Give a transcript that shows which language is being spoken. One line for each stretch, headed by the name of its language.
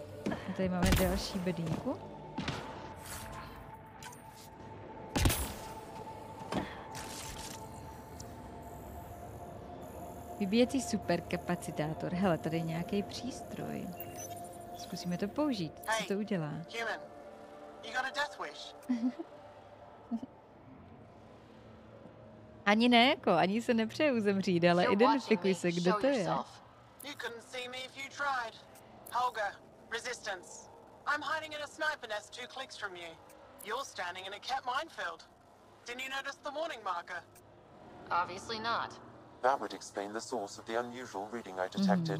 Czech: A tady máme další bedínku. Vybíjecí superkapacitátor. Hele, tady je nějaký přístroj. Zkusíme to použít. Co to udělá?
English: Hey, human. You got a death wish.
Czech: Ani ne, jako, ani se nepřeju zemřít, ale identifikuj se, kdo to je.
English: You couldn't see me if you tried. Holger, resistance. I'm hiding in a sniper nest 2 clicks from you. You're standing in a cat minefield. Didn't you notice the warning marker? Obviously not. That would explain the source of the unusual reading I detected.